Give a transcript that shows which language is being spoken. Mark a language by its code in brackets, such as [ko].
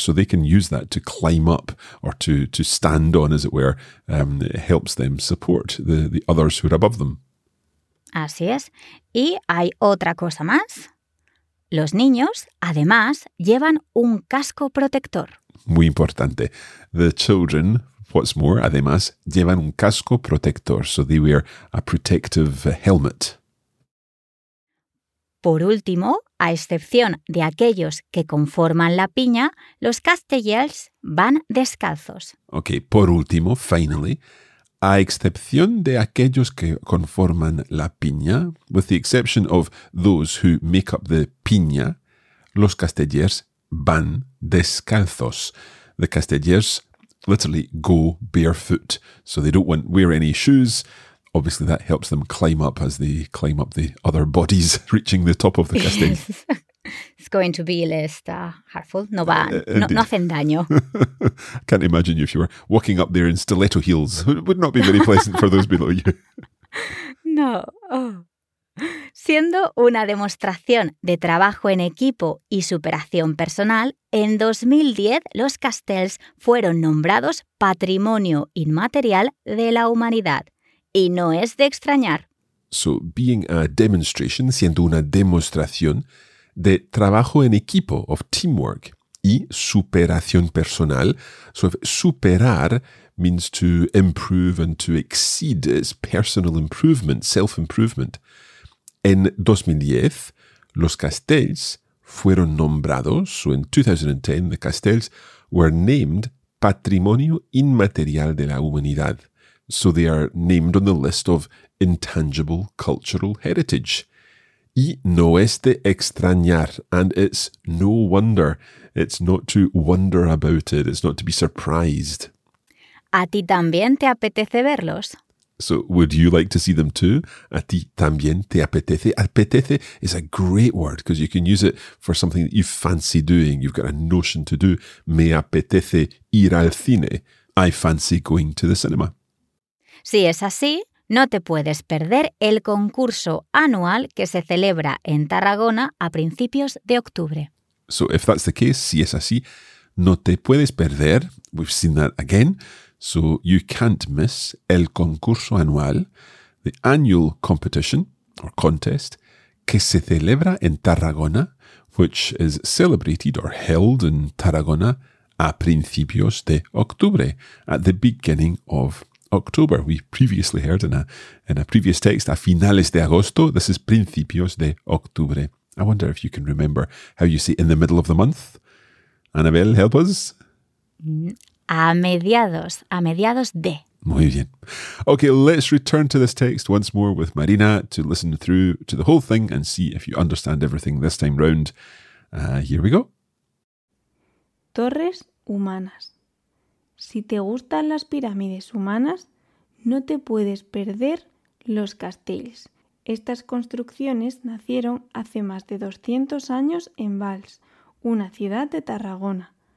[en] So they can use that to climb up or to stand on, as it were. It helps them support the others who are above them. [es] Así es. Y hay otra cosa más. Los niños, además, llevan un casco protector. Muy importante. [en] The children, what's more, [es] además, llevan un casco protector, [en] so they wear a protective helmet. [es] Por último, a excepción de aquellos que conforman la piña, los castellers van descalzos. [en] Okay, [es] por último, [en] finally, [es] a excepción de aquellos que conforman la piña, [en] with the exception of those who make up the piña, [es] los castellers van descalzos. [en] The castellers literally go barefoot, so they don't want wear any shoes. Obviously, that helps them climb up as they climb up the other bodies reaching the top of the castell. It's going to be less harmful. [es] No va, no hacen daño. [en] Can't imagine you if you were walking up there in stiletto heels. It would not be very pleasant for those below you. No. Oh. [es] Siendo una demostración de trabajo en equipo y superación personal, en 2010 los castells fueron nombrados Patrimonio Inmaterial de la Humanidad. Y no es de extrañar. [en] So, being a demonstration, [es] siendo una demostración de trabajo en equipo, [en] of teamwork, [es] y superación personal, [en] so superar means to improve and to exceed, it's personal improvement, self-improvement. [es] En 2010, los castells fueron nombrados, [en] so in 2010, the castells were named [es] Patrimonio Inmaterial de la Humanidad. [en] So they are named on the list of intangible cultural heritage. [es] Y no es de extrañar, [en] and it's no wonder. It's not to wonder about it, it's not to be surprised. [es] ¿A ti también te apetece verlos? [en] So, would you like to see them too? [es] A ti también te apetece. [en] Apetece is a great word because you can use it for something that you fancy doing. You've got a notion to do. [es] Me apetece ir al cine. [en] I fancy going to the cinema. [es] Si es así, no te puedes perder el concurso anual que se celebra en Tarragona a principios de octubre. [en] So, if that's the case, [es] si es así, No te puedes perder. [en] We've seen that again. So you can't miss [es] el concurso anual, [en] the annual competition or contest, [es] que se celebra en Tarragona, [en] which is celebrated or held in Tarragona [es] a principios de octubre, [en] at the beginning of October. We previously heard in a previous text, [es] a finales de agosto. [en] This is [es] principios de octubre. [en] I wonder if you can remember how you say in the middle of the month. Anabel, help us. [es] A mediados de. Muy bien. [en] Okay, let's return to this text once more with Marina to listen through to the whole thing and see if you understand everything this time round. Here we go. [es] Torres humanas. Si te gustan las pirámides humanas, no te puedes perder los castells. Estas construcciones nacieron hace más de 200 años en Valls, una ciudad de Tarragona.